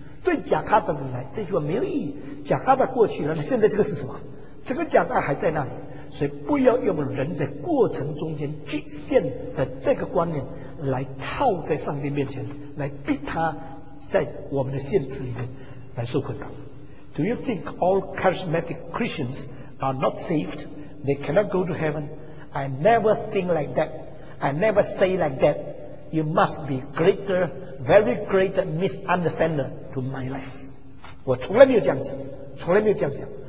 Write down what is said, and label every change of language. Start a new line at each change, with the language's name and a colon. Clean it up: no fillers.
Chinese: 对贾卡塔的人来，这句话没有意义。贾卡塔过去了，现在这个是什么？这个贾卡塔还在那里。所以不要用人在过程中间局限的这个观念来套在上帝面前，来逼他在我们的限制里面来受困难。
English: Do you think all charismatic Christians are not saved? They cannot go to heaven? I never think like that. I never say like that. You must be greater, very great misunderstander to my life.
Chinese: 我从来没有这样讲，从来没有这样讲。